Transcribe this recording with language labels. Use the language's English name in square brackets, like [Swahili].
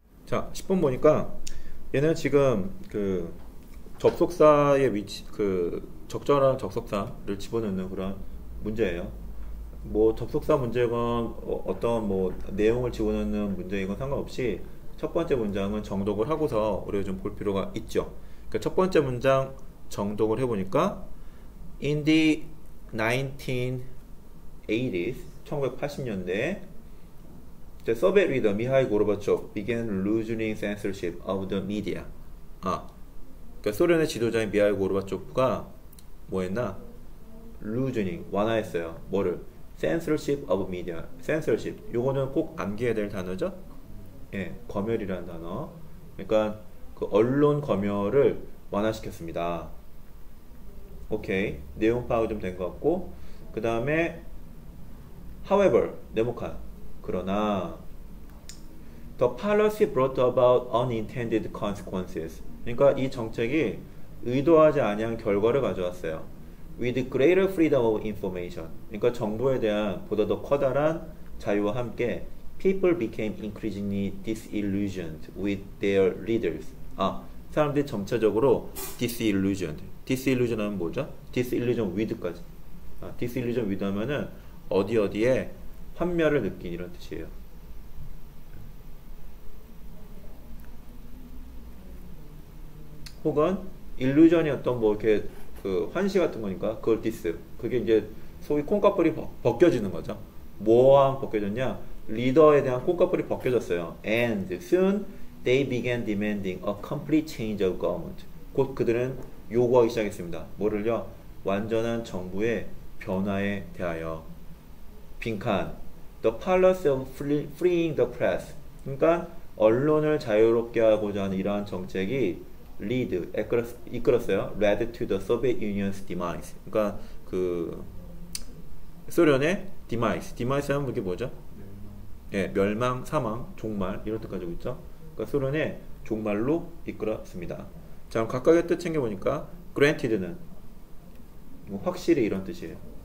[Korean] 자, 10번 보니까 얘는 지금 그 접속사의 위치, 그 적절한 접속사를 집어넣는 그런 문제예요. 뭐 접속사 문제건 어떤 뭐 내용을 집어넣는 문제이건 상관없이 첫 번째 문장은 정독을 하고서 우리가 좀볼 필요가 있죠. 그러니까 첫 번째 문장 정독을 해보니까 [English] In the 1980s, [Korean] 1980년대 [English] The Soviet leader Mikhail Gorbachev began loosening censorship of the media. [Korean] 아, 그러니까 소련의 지도자인 미하일 고르바초프가 뭐했나? [English] loosening, [Korean] 완화했어요. 뭐를? [English] censorship of media. censorship. [Korean] 요거는 꼭 암기해야 될 단어죠? 예, 검열이라는 단어. 그러니까 그 언론 검열을 완화시켰습니다. 오케이. 내용 파악이 좀된것 같고. 그 다음에, [English] however, [Korean] 네모칸. 그러나, [English] The policy brought about unintended consequences. [Korean] 그러니까 이 정책이 의도하지 아니한 결과를 가져왔어요. [English] With greater freedom of information. [Korean] 그러니까 정부에 대한 보다 더 커다란 자유와 함께 [English] people became increasingly disillusioned with their leaders. [Korean] 아, 사람들이 점차적으로 [English] disillusioned. disillusion [Korean] 하면 뭐죠? [English] disillusion with까지. [Korean] 아, [English] disillusion with [Korean] 하면은 어디 어디에 환멸을 느낀 이런 뜻이에요. 혹은 일루전이었던 뭐 이렇게 그 환시 같은 거니까 그걸 디스. 그게 이제 소위 콩깥뿌리 벗겨지는 거죠. 뭐와 벗겨졌냐? 리더에 대한 콩깥뿌리 벗겨졌어요. [English] And soon they began demanding a complete change of government. [Korean] 곧 그들은 요구하기 시작했습니다. 뭐를요? 완전한 정부의 변화에 대하여. 빈칸. [English] The policy of freeing the press. [Korean] 그러니까 언론을 자유롭게 하고자 하는 이러한 정책이 [English] lead, [Korean] 이끌었어요. [English] led to the Soviet Union's demise. [Korean] 그러니까 그 소련의 [English] demise. demise [Korean] 하면 그게 뭐죠? 예, 멸망, 사망, 종말 이런 뜻까지 있죠. 그러니까 소련의 종말로 이끌었습니다. 자, 각각의 뜻 챙겨보니까 granted는 뭐 확실히 이런 뜻이에요.